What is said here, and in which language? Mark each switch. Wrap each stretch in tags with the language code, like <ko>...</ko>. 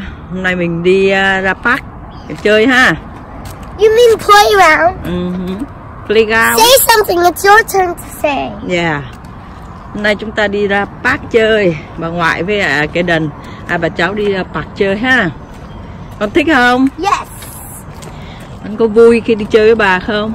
<vi>Hôm nay mình đi ra park để chơi ha.</vi> <en>You mean playground? Mm-hmm. Playground. Say something, it's your turn to say. Yeah.</en> <vi>Hôm nay chúng ta đi ra park chơi. Bà ngoại với cái đần. À, bà cháu đi ra park chơi ha. Con thích không?</vi> <en>Yes.</en> <vi>Con có vui khi đi chơi với bà không?</vi>